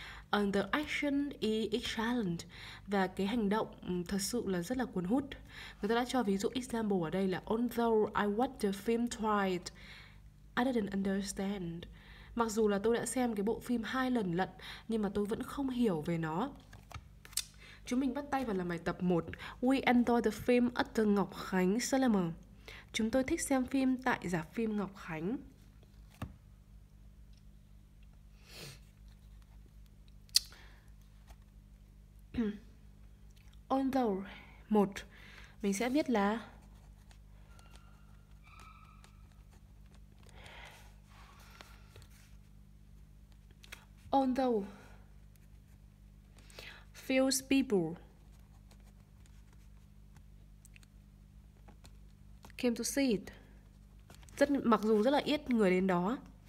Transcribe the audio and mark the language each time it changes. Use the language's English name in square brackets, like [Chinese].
[English] And the action is excellent. [Vietnamese] Và cái hành động thật sự là rất là cuốn hút. Người ta đã cho ví dụ example ở đây là [English] although I watched the film twice, I didn't understand. [Vietnamese] Mặc dù là tôi đã xem cái bộ phim hai lần lận, nhưng mà tôi vẫn không hiểu về nó. Chúng mình bắt tay vào làm bài tập 1. [English] We enjoy the film at the Ngọc Khánh Cinema. [Vietnamese] Chúng tôi thích xem phim tại rạp phim Ngọc Khánh. Although 1, mình sẽ viết là [English] although few people came to see it, [Vietnamese] mặc dù rất là ít người đến đó.